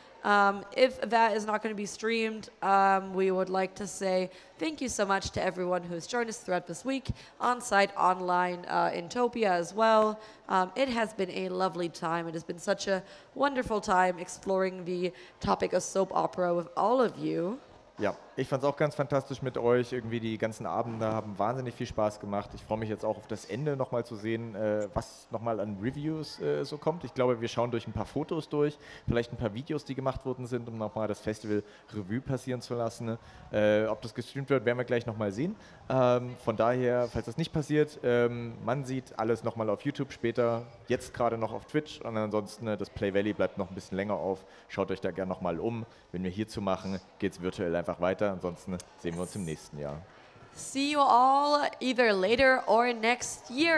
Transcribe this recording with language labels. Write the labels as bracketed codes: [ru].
[en] If that is not going to be streamed, we would like to say thank you so much to everyone who has joined us throughout this week, on-site, online, in Topia as well. It has been a lovely time. It has been such a wonderful time exploring the topic of soap opera with all of you. [de] Ja, ich fand's auch ganz fantastisch mit euch. Irgendwie die ganzen Abende haben wahnsinnig viel Spaß gemacht. Ich freue mich jetzt auch auf das Ende nochmal zu sehen, was nochmal an Reviews so kommt. Ich glaube, wir schauen durch ein paar Fotos durch, vielleicht ein paar Videos, die gemacht worden sind, um nochmal das Festival Revue passieren zu lassen. Ob das gestreamt wird, werden wir gleich nochmal sehen. Von daher, falls das nicht passiert, man sieht alles nochmal auf YouTube später, jetzt gerade noch auf Twitch. Und ansonsten, das Play Valley bleibt noch ein bisschen länger auf. Schaut euch da gerne nochmal um. Wenn wir hier zu machen, geht's virtuell einfach weiter. Ansonsten sehen wir uns im nächsten Jahr. [en] See you all either later or next year.